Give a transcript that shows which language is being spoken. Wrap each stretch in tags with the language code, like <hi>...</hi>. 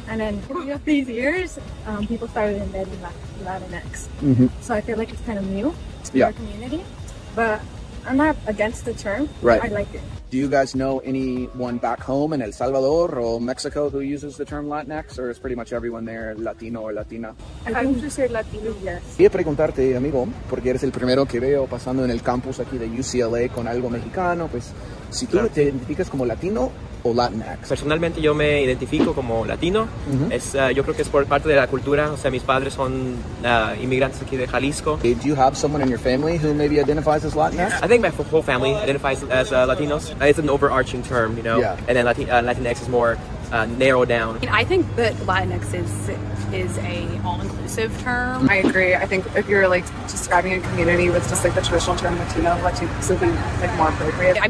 <en>And then growing up these years, people started embedding Latinx. Mm-hmm. So I feel like it's kind of new to yeah. our community, but I'm not against the term. Right. I like it. Do you guys know anyone back home in El Salvador or Mexico who uses the term Latinx, or is pretty much everyone there Latino or Latina? I'm just here Latino, yes.</en> <es>Quiero preguntarte, amigo, porque eres el primero que veo pasando en el campus aquí de UCLA con algo mexicano, pues, si tú te identificas como Latino o Latinx. Personalmente, yo me identifico como Latino. Mm-hmm. Yo creo que es por parte de la cultura. O sea, mis padres son inmigrantes aquí de Jalisco.</es> <en>Do you have someone in your family who maybe identifies as Latinx? I think my whole family identifies as Latinos. It's an overarching term, you know? Yeah. And then Latinx is more narrowed down. I think that Latinx is a all-inclusive term. I agree. I think if you're like describing a community with just like the traditional term Latino, Latinx is like more appropriate.</en>